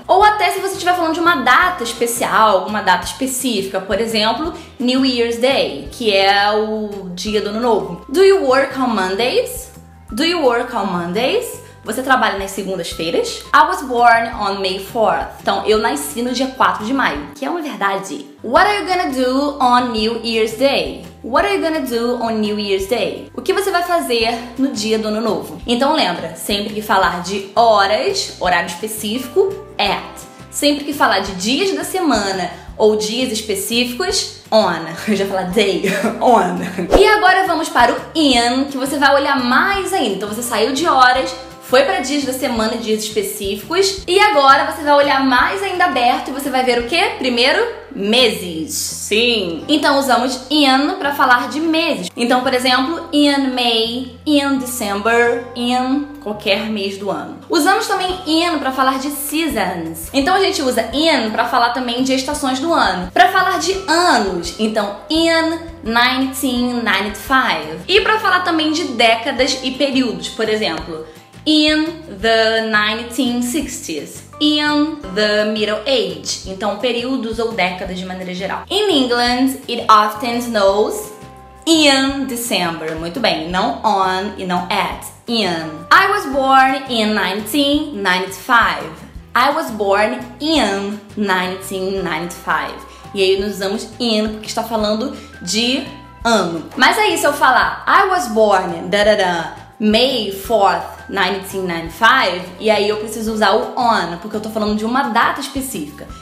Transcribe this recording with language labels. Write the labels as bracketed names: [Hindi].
[Portuguese] Ou até se você estiver falando de uma data especial, alguma data específica. Por exemplo, New Year's Day, que é o dia do ano novo. [English] Do you work on Mondays? Do you work on Mondays? [Portuguese] Você trabalha nas segundas-feiras? [English] I was born on May 4th. [Portuguese] Então, eu nasci no dia 4 de maio, que é uma verdade. [English] What are you gonna do on New Year's Day? What are you gonna do on New Year's Day? [Portuguese] O que você vai fazer no dia do ano novo? Então, lembra, sempre que falar de horas, horário específico, at. Sempre que falar de dias da semana ou dias específicos, on. Eu já falo day, on. E agora vamos para o in, que você vai olhar mais ainda. Então, você saiu de horas, foi para dias da semana e dias específicos. E agora você vai olhar mais ainda aberto e você vai ver o quê? Primeiro, meses. Sim. Então usamos in para falar de meses. Então, por exemplo, in May, in December, in qualquer mês do ano. Usamos também in para falar de seasons. Então a gente usa in para falar também de estações do ano. Para falar de anos, então in 1995. E para falar também de décadas e períodos, por exemplo, [English] in the 1960s, in the middle age, [Portuguese] então períodos ou décadas de maneira geral. [English] In England, it often snows in December. [Portuguese] Muito bem, não on e não at, in. [English] I was born in 1995. I was born in 1995. [Portuguese] E aí nós usamos in porque está falando de ano. Mas aí se eu falar, [English] I was born, [Portuguese] da-da-da, May 4th, 1995, e aí eu preciso usar o on, porque eu tô falando de uma data específica.